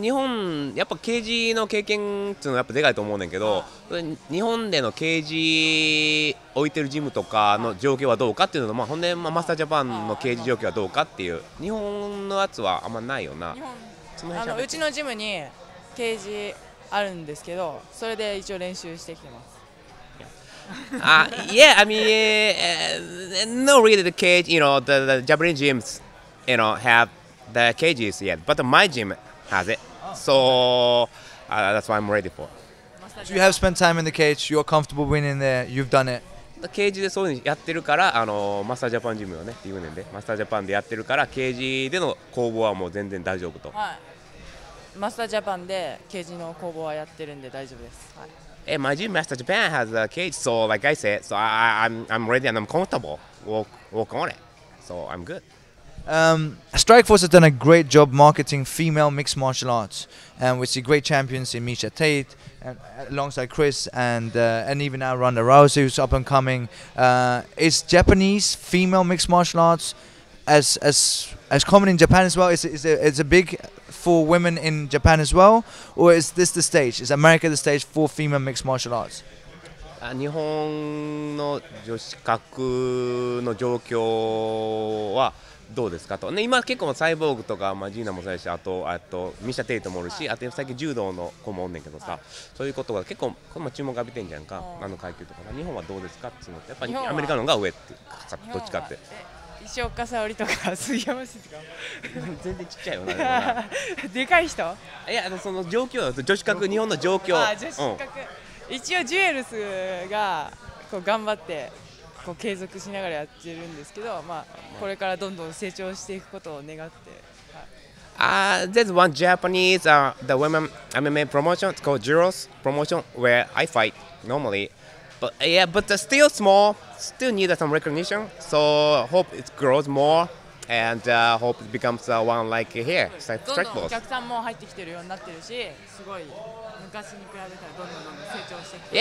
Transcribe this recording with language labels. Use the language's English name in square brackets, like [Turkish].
[Japanese] 日本、やっぱケージの経験っていうのはやっぱでかいと思うんだけど、日本でのケージ置いてるジムとかの状況はどうかっていうのと、本年マスタージャパンのケージ状況はどうかっていう、日本のやつはあんまないよな。うちのジムにケージあるんですけど、それで一応練習してきてます。 [English] not really the cage, you know, the Japanese gyms, you know, have the cages yet, but my gym has it, that's what I'm ready for. So you have spent time in the cage, you're comfortable winning there, you've done it. [Japanese] The cage でそういうのやってるから、マスタージャパンジムをね、っていうねんで、マスタージャパンでやってるから、ケージでの攻防はもう全然大丈夫と。はい。マスタージャパンでケージの攻防はやってるんで大丈夫です。はい。 [English] Hey, my gym, Master Japan, has a cage, so like I said, so I'm ready and I'm comfortable. Walk on it, so I'm good. Strikeforce has done a great job marketing female mixed martial arts, and we see great champions in Misha Tate, and alongside Chris, and even now Ronda Rousey, who's up and coming. Is Japanese female mixed martial arts as common in Japan as well? Is it big for women in Japan as well, or is this the stage? Is America the stage for female mixed martial arts? [Japanese] 日本の女子格の状況はどうですかと、ね、今結構サイボーグとか、ジーナもそうやし、あとミシャ・テイトもおるし、あと最近柔道の子もおんねんけどさ、そういうことが結構この注目浴びてんじゃんか、あの階級とか。日本はどうですかっていうのって、やっぱりアメリカの方が上ってどっちかって。石岡沙織とか杉山氏とか全然ちっちゃいよな。でかい人、いや、その状況、女子格、日本の状況、あ、女子格、うん、一応ジュエルスがこう頑張ってこう継続しながらやってるんですけど、これからどんどん成長していくことを願って。 [English] There's one Japanese the women MMA promotion, it's called Jewels promotion, where I fight normally, but still smallstill need some recognition, so hope it grows more and hope it becomes one like here, like Strikeforce. [Japanese] どんどんお客さんも入ってきてるようになってるし、すごい昔に比べたらどんどん成長してきてる。